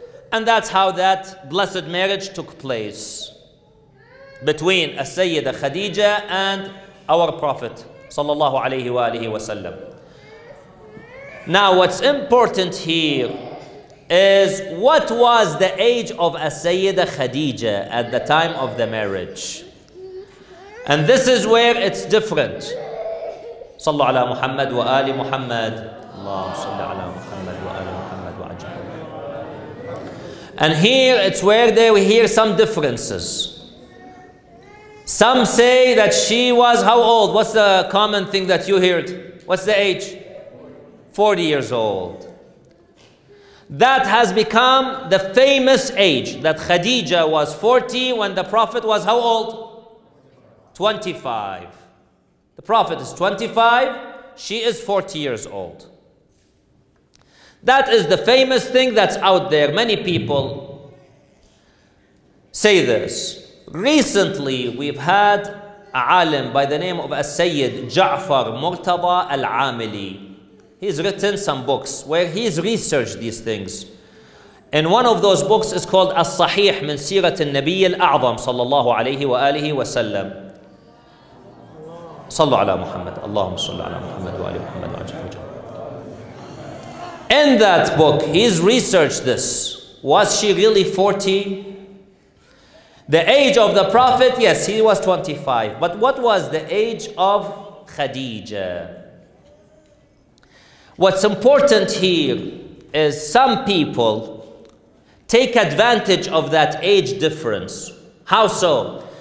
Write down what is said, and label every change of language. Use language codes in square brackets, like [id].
[en] And that's how that blessed marriage took place between a Sayyida Khadija and our Prophet sallallahu alayhi wa alihi wa sallam. Now, what's important here is, what was the age of a Sayyida Khadija at the time of the marriage? And this is where it's different. [ar] صلى على محمد وآل محمد. اللهم صل على محمد وآل محمد وعجل. [en] And here it's where they hear some differences. Some say that she was how old? What's the common thing that you heard? What's the age? 40 years old. That has become the famous age, that Khadija was 40 when the Prophet was how old? 25. The Prophet is 25, she is 40 years old. That is the famous thing that's out there. Many people say this. Recently, we've had a alim by the name of As-Sayyid Ja'far Murtada Al-Amili. He's written some books where he's researched these things. And one of those books is called As-Sahih Min Sirat Al-Nabi Al-A'zam Sallallahu Alaihi Wa Alihi Wasallam. [ar] صلوا على محمد اللهم صل على محمد وعلى محمد وعجل وجل. [en] In that book, he's researched this. Was she really 40? The age of the Prophet, yes, he was 25. But what was the age of Khadija? What's important here is some people take advantage of that age difference. How so?